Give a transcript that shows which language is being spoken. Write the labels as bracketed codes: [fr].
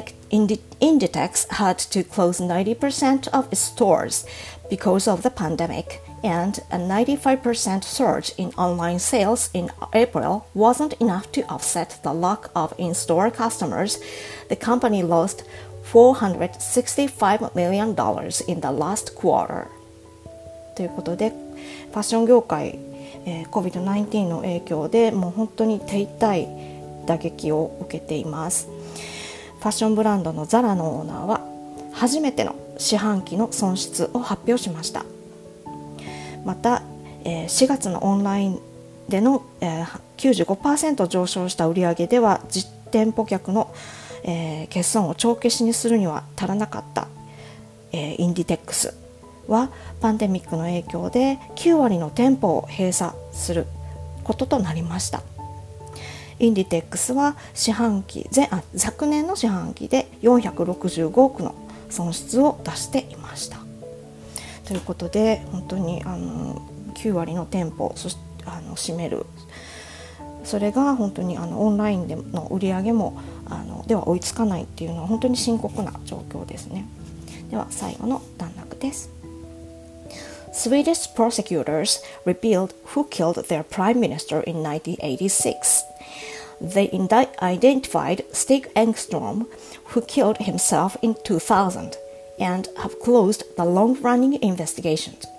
[en] Inditex had to close 90% of its stores because of the pandemic, and a 95% surge in online sales in April wasn't enough to offset the lack of in-store customers. The company lost $465 million in the last quarter. [ja] ということで、ファッション業界、COVID-19 の影響でもう本当に手痛い打撃を受けています。ファッションブランドのザラのオーナーは初めての四半期の損失を発表しました。また、4月のオンラインでの、95% 上昇した売上では実店舗客の、欠損を帳消しにするには足らなかった、インディテックスはパンデミックの影響で9割の店舗を閉鎖することとなりました。インディテックスは昨年の四半期で465億の損失を出していました。ということで、本当に9割の店舗を占める、それが本当にオンラインでの売り上げもでは追いつかないっていうのは本当に深刻な状況ですね。では最後の段落です。 [en] Swedish prosecutors revealed who killed their prime minister in 1986. They identified Stig Engström, who killed himself in 2000, and have closed the long-running investigation.